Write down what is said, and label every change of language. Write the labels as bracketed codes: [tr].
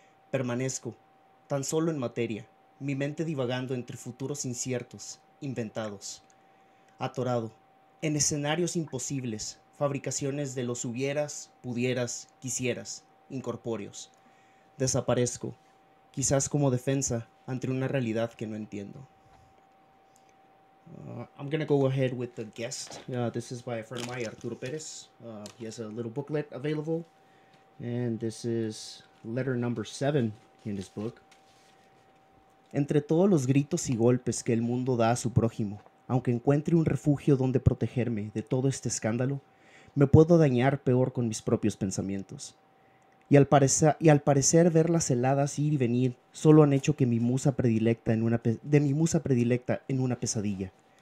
[es] Permanezco, tan solo en materia, mi mente divagando entre futuros inciertos, inventados. Atorado, en escenarios imposibles, fabricaciones de los hubieras, pudieras, quisieras, incorpóreos. Desaparezco, quizás como defensa ante una realidad que no entiendo. [en] I'm going to go ahead with the guest. This is by a friend of mine, Arturo Perez. He has a little booklet available. And this is letter number 7 in his book. [es] Entre todos los gritos y golpes que el mundo da a su prójimo, aunque encuentre un refugio donde protegerme de todo este escándalo, me puedo dañar peor con mis propios pensamientos. Y al parecer ver las heladas ir y venir solo han hecho que mi musa predilecta en una pesadilla.